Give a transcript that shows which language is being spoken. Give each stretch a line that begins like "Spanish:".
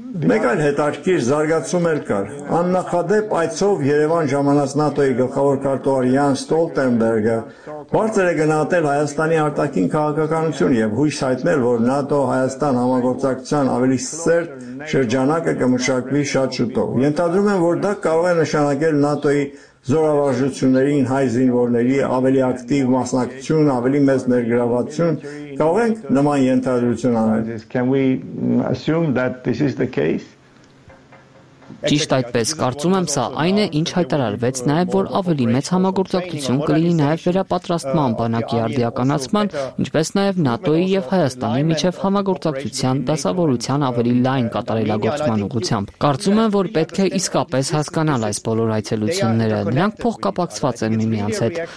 Armenian: Մեկ այլ հետաքրքիր զարգացում էլ կար։ Աննախադեպ այցով Երևան ժամանած ՆԱՏՕ-ի գլխավոր քարտուղար Յան Ստոլտենբերգը բարձր է գնահատել Հայաստանի արտաքին քաղաքականություն և հույս հայտնել, որ ՆԱՏՕ-Հայաստան համագործակցության ավելի սերտ շրջանակը կմշակվի շատ շուտով։ Ենթադրում եմ, որ դա կարող է նշանակել ՆԱՏՕ-ի զորավարժություններին, հայ զինվորների ավելի ակտիվ մասնակցություն, ավելի մեծ ներգրավվածություն։ Կարող ենք նման ենթադրություն անել։
English: Can we assume that this is the case?
Armenian: Ճիշտ այդպես, կարծում եմ, սա այն է, ինչ հայտարարվեց նաև, որ ավելի մեծ համագործակցություն կլինի նաև վերապատրաստման բանակի արդիականացման, ինչպես նաև ՆԱՏՕ-ի և Հայաստանի միջև համագործակցության դասավորության ավելի լայն կատարելագործման ուղղությամբ։ Կարծում եմ, որ պետք է իսկապես հասկանալ այս բոլոր այցելությունները, նրանք փոխկապակցված են միմյանց հետ։